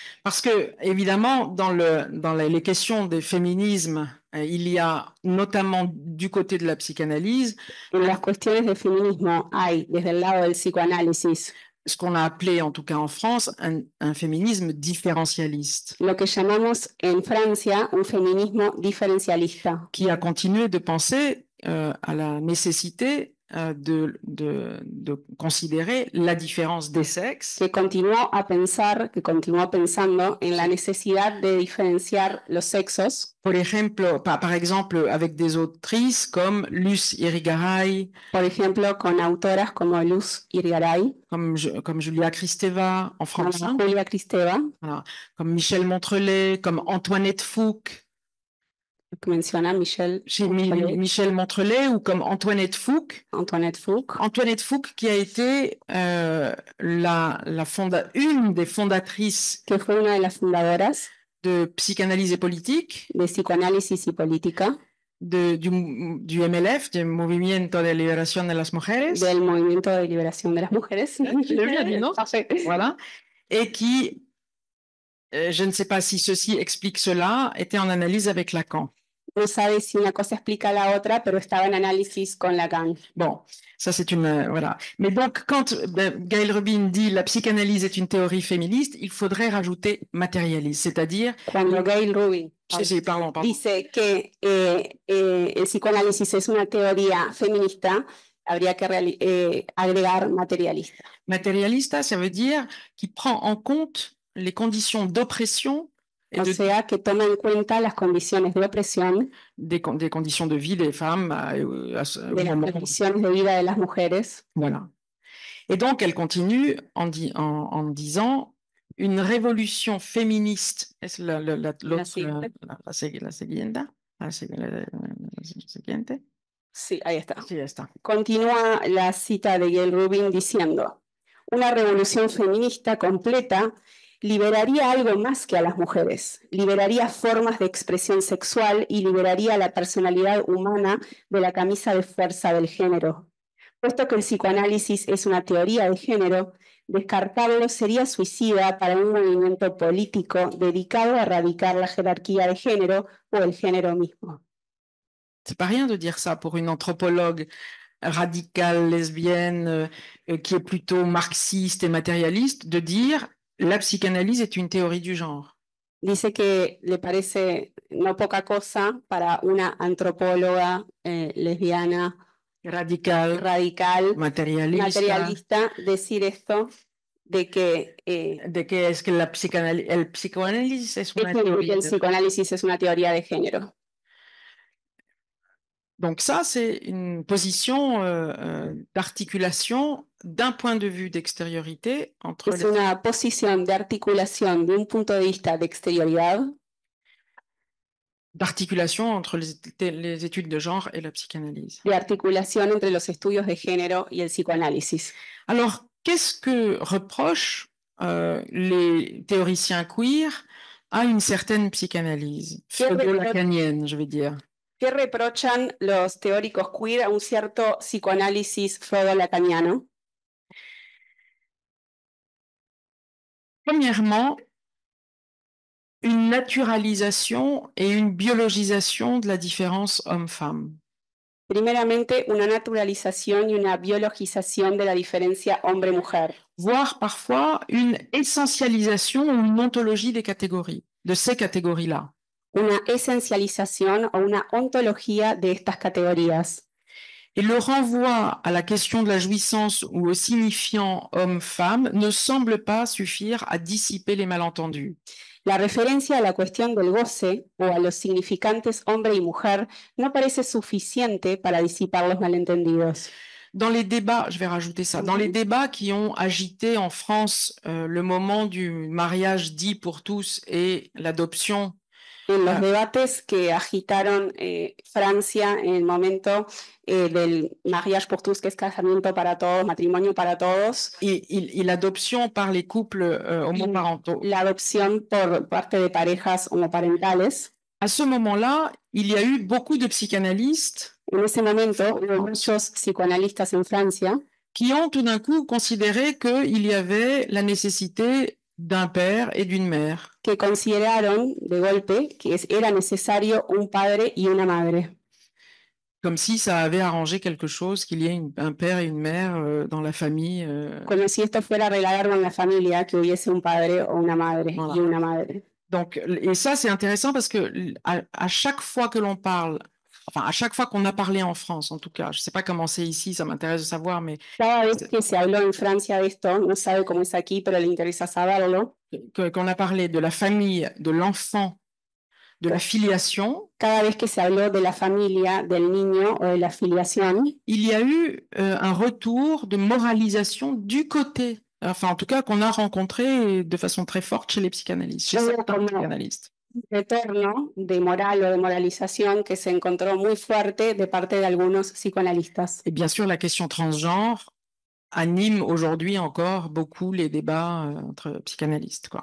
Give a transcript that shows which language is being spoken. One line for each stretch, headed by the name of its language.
French: Parce que évidemment dans les questions des féminismes il y a notamment du côté de la psychanalyse
Spanish: en las cuestiones de feminismo hay desde el lado del psicoanálisis
French: ce qu'on a appelé en tout cas en France un féminisme différencialiste.
Spanish: Lo que llamamos en Francia un feminismo diferencialista
French: qui a continué de penser à la nécessité de considérer la différence des sexes.
Spanish: Que continuó pensando en la necesidad de diferenciar los sexos.
French: Par exemple, avec des autrices comme Luce Irigaray.
Spanish: Por ejemplo, con autoras como Luz Irigaray.
French: Comme Julia Kristeva en français.
Spanish: Julia Kristeva.
French: Voilà. Comme Michel Montrelet, comme Antoinette Fouque.
Spanish: Que menciona Michel.
French: Chez Michel Montrelet ou comme Antoinette Fouque. Antoinette Fouque qui a été une des fondatrices.
Spanish: Que fue una de las fundadoras.
French: De psychanalyse et politique.
Spanish: De psicoanálisis y política. du MLF, du Movimiento de Liberación de las Mujeres. Del Movimiento de Liberación de las Mujeres.
French: Je l'ai bien dit, non? Voilà. Et qui, je ne sais pas si ceci explique cela, était en analyse avec Lacan.
Spanish: No sabe si una cosa explica la otra, pero estaba en análisis con Lacan.
French: Bon, ça c'est une... voilà. Mais donc, quand Gail Rubin dit « la psychanalyse est une théorie féministe », il faudrait rajouter « matérialiste », c'est-à-dire...
Spanish: Quand Gail Rubin dice que el psicoanálisis es una teoría feminista, habría que agregar materialista.
French: Materialista, ça veut dire qui prend en compte les conditions d'oppression.
Spanish: O sea, que toma en cuenta las condiciones de opresión,
French: des conditions de vie des femmes,
Spanish: de las condiciones de vida de las mujeres.
French: Voilà. Et donc, elle continue en disant une révolution féministe. Est-ce
Spanish: la siguiente? Sí, ahí está. Sí, ahí está. Continúa la cita de Gail Rubin diciendo: una revolución feminista completa liberaría algo más que a las mujeres, liberaría formas de expresión sexual y liberaría la personalidad humana de la camisa de fuerza del género. Puesto que el psicoanálisis es una teoría de género, descartarlo sería suicida para un movimiento político dedicado a erradicar la jerarquía de género o el género mismo.
French: C'est pas rien de dire ça pour une anthropologue radicale lesbienne qui est plutôt marxiste et matérialiste de dire la psychanalyse est une théorie du genre.
Spanish: Dice que le parece no poca cosa para una antropóloga lesbiana radical materialista decir esto de que de que es que la psicanálisis el psicoanálisis es una teoría el psicoanálisis es una teoría de género.
French: Donc ça, c'est une position d'articulation d'un point de vue d'extériorité entre. C'est une position d'articulation d'un point de vue d'extériorité. D'articulation entre les études de genre et la psychanalyse. D'articulation entre les études de genre et le psychoanalyse. Alors, qu'est-ce que reprochent les théoriciens queer à une certaine psychanalyse pseudo-lacanienne, je vais dire.
Spanish: ¿Qué reprochan los teóricos queer a un cierto psicoanálisis freudo-lacaniano?
French: Premièrement, une naturalisation et une biologisation de la différence homme-femme.
Spanish: Primeramente, una naturalización y una biologización de la diferencia hombre-mujer.
French: Voire parfois une essentialisation ou une ontologie des catégories, de ces catégories-là.
Spanish: Una esencialización o una ontología de estas categorías.
French: Et le renvoi à la question de la jouissance ou au signifiant homme-femme ne semble pas suffire à dissiper les malentendus.
Spanish: La referencia a la cuestión del goce o a los significantes hombre y mujer no parece suficiente para disipar los malentendidos.
French: Dans les débats, je vais rajouter ça, dans les débats qui ont agité en France le moment du mariage dit pour tous et l'adoption.
Spanish: En los debates que agitaron Francia en el momento del
French: mariage pour tous,
Spanish: que es casamiento para todos, matrimonio para todos. Y la adopción
French: par les couples homoparentaux.
Spanish: La adopción por parte de parejas homoparentales.
French: À ce moment-là, il y a eu beaucoup de psychanalystes.
Spanish: En ese momento, hubo muchos psicoanalistas en Francia.
French: Qui ont tout d'un coup considéré qu'il y avait la nécessité d'un père et d'une mère.
Spanish: Que consideraron de golpe que era necesario un padre y una madre.
French: Comme si ça avait arrangé quelque chose qu'il y ait un père et une mère dans la famille.
Spanish: Como si esto fuera arreglar en la familia que hubiese un padre o una madre voilà. Y una madre.
French: Donc et ça c'est intéressant parce que à chaque fois que l'on parle, enfin à chaque fois qu'on a parlé en France, en tout cas, je sais pas comment c'est ici, ça m'intéresse de savoir, mais
Spanish: cada vez que se habló en Francia de esto, no sabe cómo es aquí, pero le interesa saberlo.
French: Qu'on a parlé de la famille, de l'enfant, de la filiation.
Spanish: Cada vez que se habló de la familia, del niño o de la filiación.
French: Il y a eu un retour de moralisation du côté. Enfin, en tout cas, qu'on a rencontré de façon très forte chez les psychanalystes. Chez certains psychanalystes.
Spanish: Un retorno de moral o de moralización que se encontró muy fuerte de parte de algunos psicoanalistas.
French: Et bien sûr, la question transgenre anime aujourd'hui encore beaucoup les débats entre psychanalystes, quoi.